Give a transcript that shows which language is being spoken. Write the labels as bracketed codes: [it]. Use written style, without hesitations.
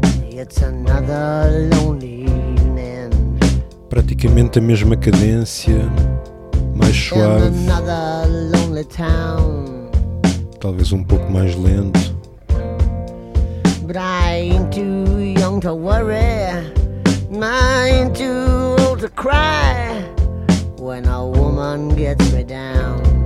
[en] It's another lonely evening. [pt] Praticamente a mesma cadência, mais suave. [en] In another lonely town. [pt] Talvez um pouco mais lento. [en] But I'm too young to worry. I'm too old to cry. When a woman gets me down.